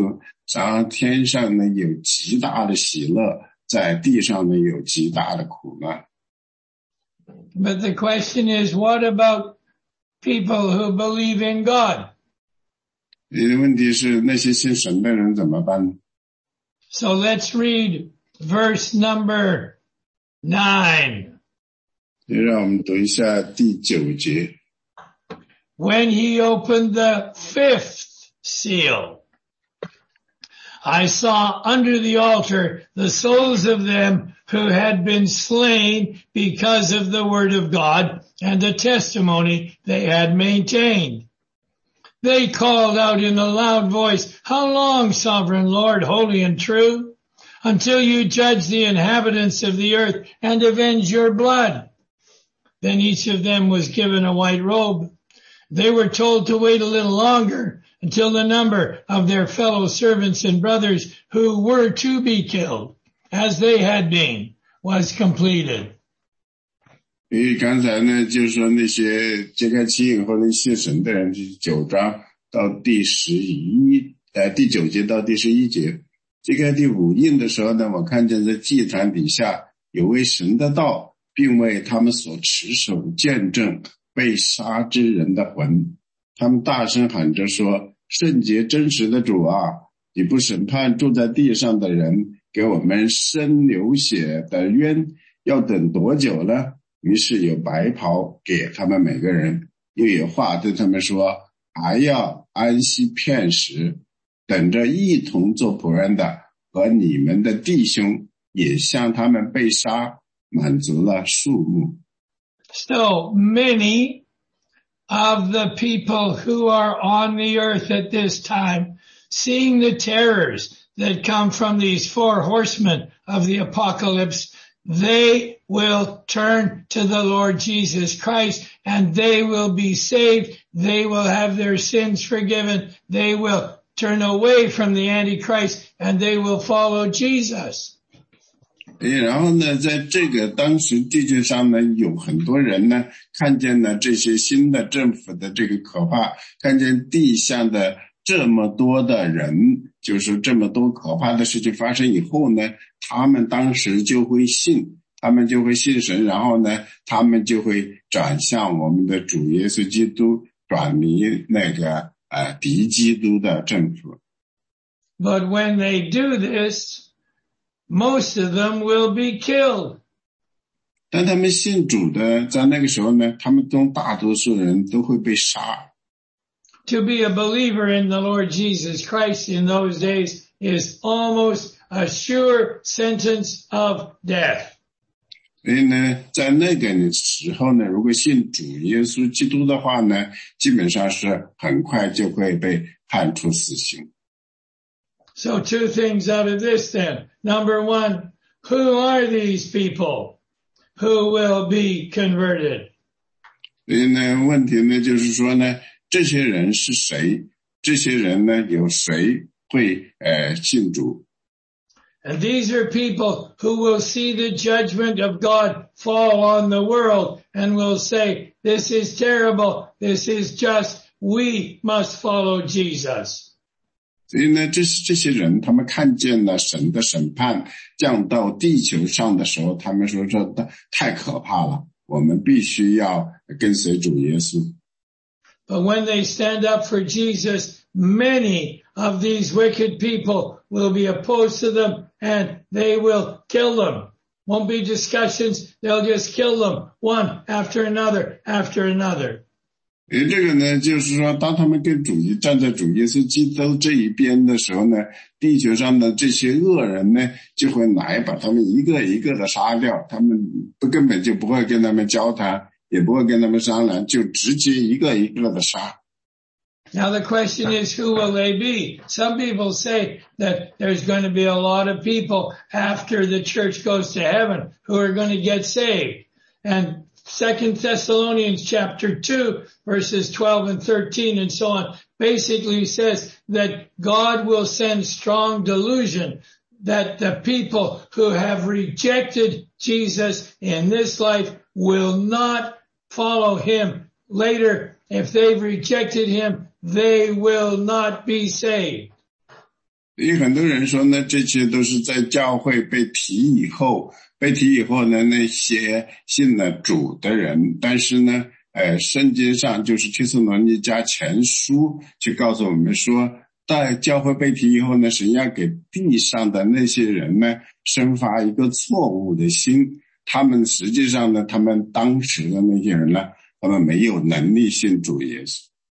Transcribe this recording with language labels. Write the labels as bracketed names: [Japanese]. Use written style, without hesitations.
[Chinese] 因为在天上呢有那个羔羊的婚宴，所有的教会呢当时呢会嫁给主耶稣基督，然后天上呢有极大的喜乐。 [English] But the question is, what about people who believe in God? [Chinese] 问题是那些信神的人怎么办? [English] So let's read verse number 9. [Chinese] 让我们读一下第九节。 [English] When he opened the fifth seal, I saw under the altar the souls of them who had been slain because of the word of God and the testimony they had maintained. They called out in a loud voice, How long, sovereign Lord, holy and true, until you judge the inhabitants of the earth and avenge your blood? Then each of them was given a white robe. they were told to wait a little longer until the number of their fellow servants and brothers who were to be killed, as they had been, was completed. [Chinese] 因为刚才呢，就是说那些揭开七印或者那些神的人，就是九章到第十一，第九节到第十一节，揭开第五印的时候呢，我看见在祭坛底下有位神的道，并为他们所持守见证被杀之人的魂，他们大声喊着说：“圣洁真实的主啊，你不审判住在地上的人，给我们身流血的冤，要等多久呢？” 于是有白袍给他们每个人，又有话对他们说，还要安息片时，等着一同做仆人的和你们的弟兄也向他们被杀满足了数目。 [English] So many of the people who are on the earth at this time, seeing the terrors that come from these four horsemen of the apocalypse,They will turn to the Lord Jesus Christ and they will be saved. They will have their sins forgiven. They will turn away from the Antichrist and they will follow Jesus. [Chinese] 然后呢在这个当时地球上呢有很多人呢看见了这些新的政府的这个可怕看见地下的这么多的人就是这么多可怕的事情发生以后呢他们当时就会信他们就会信神然后呢他们就会转向我们的主耶稣基督转离那个敌基督的政府。 [English] But when they do this, most of them will be killed. [Chinese] 但他们信主的在那个时候呢他们中大多数人都会被杀。 [English] To be a believer in the Lord Jesus Christ in those days is almost a sure sentence of death. [Chinese] 所以呢在那个时候呢如果信主耶稣基督的话呢基本上是很快就会被判处死刑。 [English] So two things out of this then. Number one, who are these people who will be converted? [Chinese] 所以呢问题呢就是说呢这些人是谁这些人呢有谁会信主 [English] And these are people who will see the judgment of God fall on the world and will say, this is terrible, this is just, we must follow Jesus. [Chinese] 所以呢这些人他们看见了神的审判降到地球上的时候他们说这太可怕了我们必须要跟随主耶稣。 [English] But when they stand up for Jesus, many of these wicked people will be opposed to them and they will kill them. Won't be discussions, they'll just kill them one after another, after another. [Chinese] 这个呢就是说当他们跟主义站在主耶稣基督这一边的时候呢地球上的这些恶人呢就会来把他们一个一个的杀掉他们不根本就不会跟他们交谈。也不会跟他们商量就直接一个一个的杀。 [English] Now the question is, who will they be? Some people say that there's going to be a lot of people after the church goes to heaven who are going to get saved. And 2 Thessalonians chapter 2 verses 12 and 13 and so on basically says that God will send strong delusion that the people who have rejected Jesus in this life will notfollow him later if they've rejected him they will not be saved [Chinese] 因为很多人说呢这些都是在教会被提以后呢那些信了主的人但是呢圣经上就是提斯罗尼加前书去告诉我们说在教会被提以后呢神要给地上的那些人呢生发一个错误的心他们实际上呢他们当时的那些人呢他们没有能力信主耶稣。